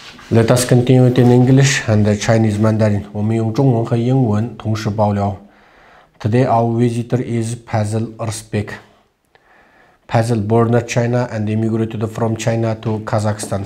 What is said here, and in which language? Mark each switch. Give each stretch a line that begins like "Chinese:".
English: Let us continue in English and Chinese Mandarin.
Chinese: 我们用中文和英文同时爆料.
English: Today our visitor is Pazil Irısbek. Pazil born in China and immigrated from China to Kazakhstan.